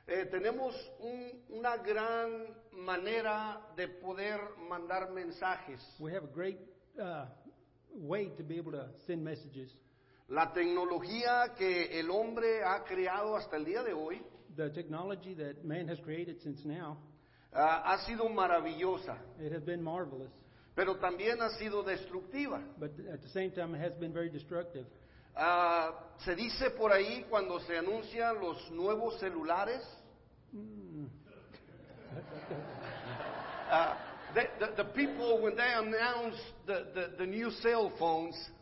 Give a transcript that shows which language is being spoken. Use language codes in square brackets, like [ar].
[es] tenemos una gran manera de poder mandar mensajes. [en] We have a great way to be able to send messages. [es] La tecnología que el hombre ha creado hasta el día de hoy, [en] the technology that man has created since now, [es] ha sido maravillosa. [en] It has been marvelous. [es] Pero también ha sido destructiva. [en] But at the same time, it has been very destructive. [es] Se dice por ahí cuando se anuncian los nuevos celulares. [en] The people, when they announce the new cell phones,